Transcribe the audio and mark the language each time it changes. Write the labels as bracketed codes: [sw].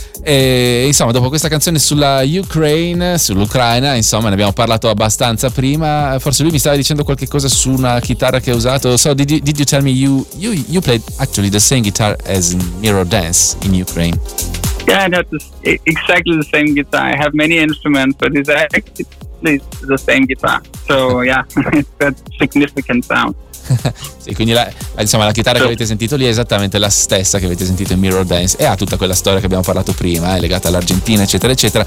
[it] E, insomma, dopo questa canzone sull'Ucraina, insomma, ne abbiamo parlato abbastanza prima. Forse lui mi stava dicendo qualche cosa su una chitarra che ha usato. [en] So, did you tell me you played actually the same guitar as in Mirror Dance in Ukraine? Yeah, exactly the same guitar. I have many instruments, but it's actually the same guitar. So yeah, it's a significant sound. [it] Sì, quindi la chitarra che avete sentito lì è esattamente la stessa che avete sentito in Mirror Dance e ha tutta quella storia che abbiamo parlato prima, legata all'Argentina, eccetera, eccetera.